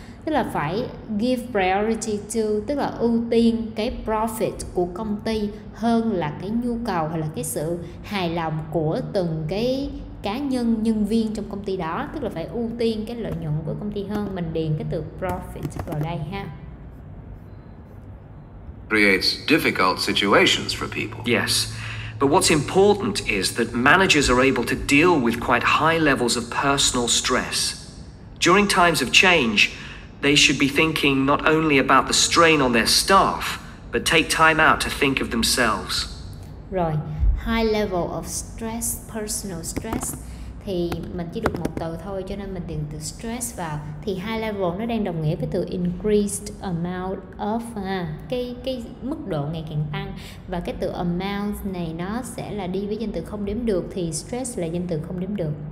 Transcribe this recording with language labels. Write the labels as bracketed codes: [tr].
[vi] Tức là phải [en] give priority to, [vi] tức là ưu tiên cái profit của công ty hơn là cái nhu cầu hay là cái sự hài lòng của từng cái cá nhân, nhân viên trong công ty đó. Tức là phải ưu tiên cái lợi nhuận của công ty hơn. Mình điền cái từ profit vào đây ha. [en] Creates difficult situations for people. Yes, but what's important is that managers are able to deal with quite high levels of personal stress. During times of change, they should be thinking not only about the strain on their staff, but take time out to think of themselves. [vi] Rồi, [en] high level of stress, personal stress, [vi] thì mình chỉ được một từ thôi cho nên mình điền từ stress vào. Thì [en] high level [vi] nó đang đồng nghĩa với từ [en] increased amount of, [vi] cái mức độ ngày càng tăng. Và cái từ amount này nó sẽ là đi với danh từ không đếm được, thì stress là danh từ không đếm được.